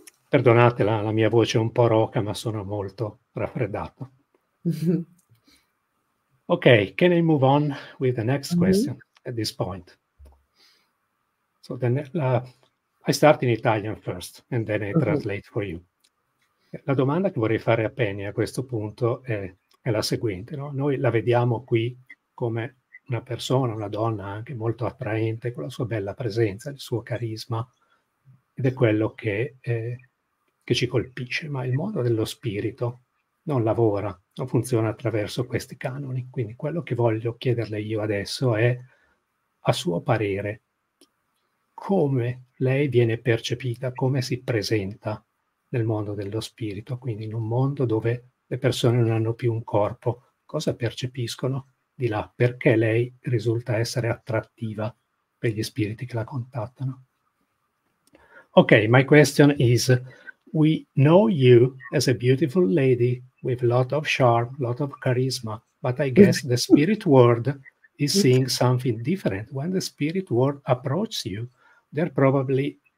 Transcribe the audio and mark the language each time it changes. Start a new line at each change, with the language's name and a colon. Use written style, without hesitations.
Italian: Perdonatela, la mia voce è un po' roca, ma sono molto raffreddato.
English: Okay, can I move on with the next question at this point? So then I start in Italian first and then I translate for you.
Italian: La domanda che vorrei fare a Penny a questo punto è la seguente, no? Noi la vediamo qui come una persona, una donna anche molto attraente, con la sua bella presenza, il suo carisma, ed è quello che ci colpisce, ma il mondo dello spirito non lavora, non funziona attraverso questi canoni. Quindi quello che voglio chiederle io adesso è, a suo parere, come lei viene percepita, come si presenta nel mondo dello spirito, quindi in un mondo dove le persone non hanno più un corpo, cosa percepiscono di là? Perché lei risulta essere attrattiva per gli spiriti che la contattano?
English: Ok, my question is, we know you as a beautiful lady with a lot of charm, a lot of charisma, but I guess the spirit world is seeing something different. When the spirit world approaches you, they're probably